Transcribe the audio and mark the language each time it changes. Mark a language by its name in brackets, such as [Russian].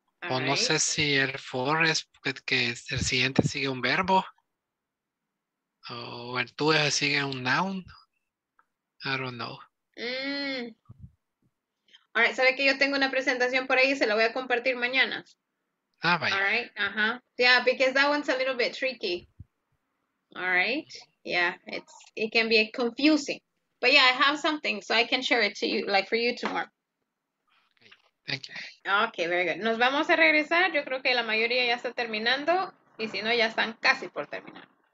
[Spanish] O no sé si el for es que el siguiente sigue un verbo. O el to es que sigue un noun. [English] I don't know. All right, [Spanish] ¿sabe que yo tengo una presentación por ahí y se la voy a compartir mañana? Ah, vaya. [English] All right, uh-huh. Yeah, because that one's a little bit tricky. All right, yeah, it can be confusing. But yeah, I have something, so I can share it to you, like for you tomorrow. Okay, thank you. Okay, very good. [Spanish] Nos vamos a regresar. Yo creo que la mayoría ya está terminando, y si no, ya están casi por terminar.